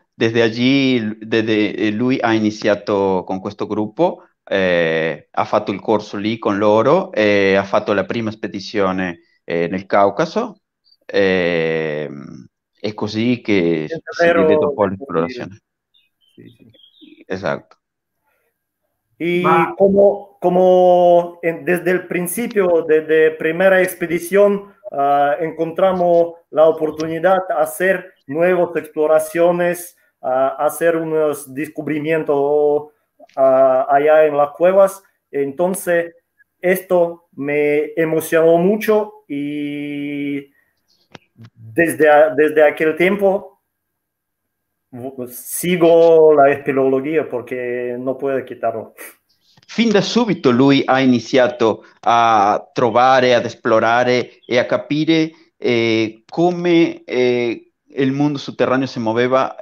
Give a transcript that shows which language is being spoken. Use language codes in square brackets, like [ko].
[es] desde allí [it] lui ha iniziato con questo gruppo, ha fatto il corso lì con loro, ha fatto la prima spedizione nel Caucaso, è così che si diede dopo l'esplorazione. Esatto. [es] Y como desde el principio de primera expedición encontramos la oportunidad de hacer nuevas exploraciones, hacer unos descubrimientos allá en las cuevas. Entonces, esto me emocionó mucho y desde aquel tiempo sigo la espeleología porque no puedo quitarlo. [it] Fin da subito lui ha iniziato a trovare, ad esplorare e a capire come il mondo sotterraneo si muoveva.